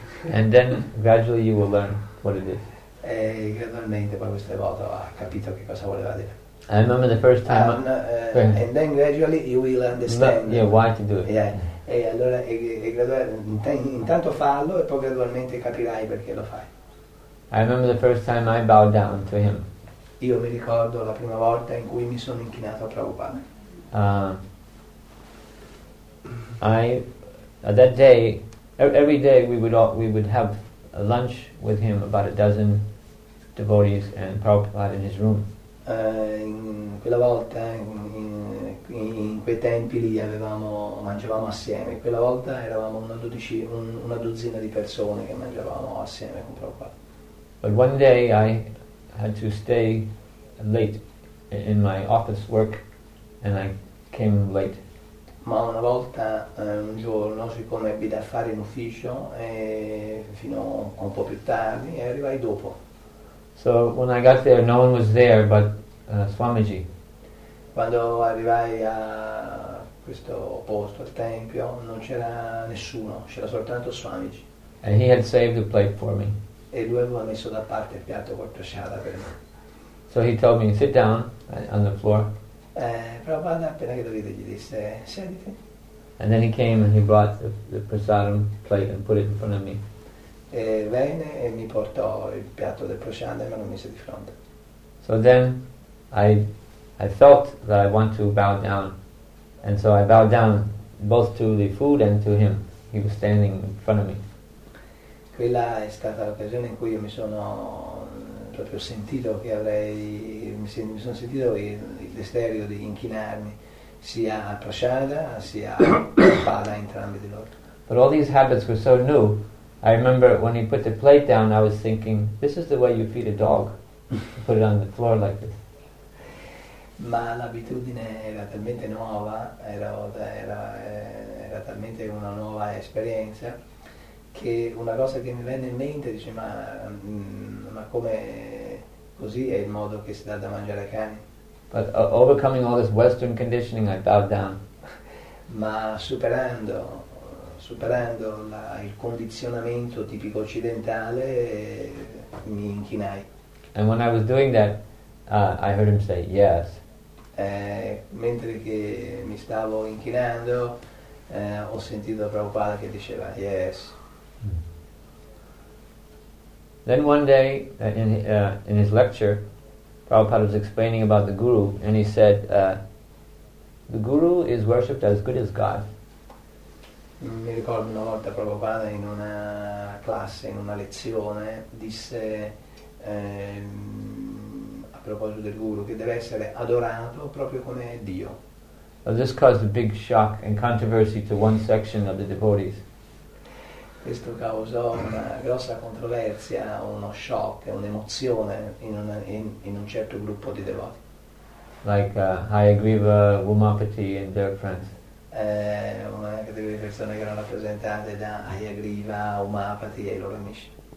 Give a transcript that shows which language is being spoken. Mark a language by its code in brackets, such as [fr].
[en] And then gradually you will learn what it is. [it] E gradualmente poi questo devoto ha capito che cosa voleva dire. [en] I remember the first time. And then gradually you will understand. Yeah, why to do it. Yeah. [it] E allora intanto fallo e poi gradualmente capirai perché lo fai. [en] I remember the first time I bowed down to him. [it] Io mi ricordo la prima volta in cui mi sono inchinato a Prabhupada. [en] That day, every day we would have a lunch with him, about a dozen devotees and Prabhupada in his room. [it] Quella volta eravamo una dozzina di persone che mangiavamo assieme con Prabhupada. [en] But one day I had to stay late in my office work and I came late. [it] Ma una volta, un giorno, siccome ebbi da fare in ufficio, e fino a un po' più tardi, e arrivai dopo. [en] So when I got there, no one was there but Swamiji. [it] Quando arrivai a questo posto, al tempio, non c'era nessuno, c'era soltanto Swamiji. [en] And he had saved the plate for me. [it] E lui aveva messo da parte il piatto col prasciada per me. [en] So he told me, sit down on the floor. [it] Prabhupada appena che lo vide gli disse, siediti. [en] And then he came and he brought the prasadam plate and put it in front of me. [it] E venne e mi portò il piatto del prasciada e me lo mise di fronte. [en] So then I felt that I want to bow down. And so I bowed down both to the food and to him. He was standing in front of me. [it] Quella è stata l'occasione in cui io mi sono proprio sentito che avrei, mi sono sentito il desiderio di inchinarmi sia a prasciada sia a pada, entrambi di loro. [en] But all these habits were so new. I remember when he put the plate down, I was thinking, this is the way you feed a dog, to put it on the floor like this. [it] Ma l'abitudine era talmente nuova, era talmente una nuova esperienza, che una cosa che mi venne in mente, dice, ma come così è il modo che si dà da mangiare ai cani? [en] But overcoming all this Western conditioning, I bowed down. [it] Ma superando il condizionamento tipico occidentale, mi inchinai. [en] And when I was doing that, I heard him say, yes. [it] Mentre che mi stavo inchinando, ho sentito Prabhupada che diceva, yes. [en] Then one day, in his lecture, Prabhupada was explaining about the Guru, and he said, the Guru is worshipped as good as God. [it] Mi ricordo una volta Prabhupada in una classe, in una lezione, disse a proposito del Guru che deve essere adorato proprio come Dio. [en] So this caused a big shock and controversy to one section of the devotees. [it] Questo causò una grossa controversia, uno shock, un'emozione in un certo gruppo di devoti. [en] Like Hayagriva, Umapati and their friends. [it] Una categoria di persone che erano rappresentate da Hayagriva, Umapati e i loro amici.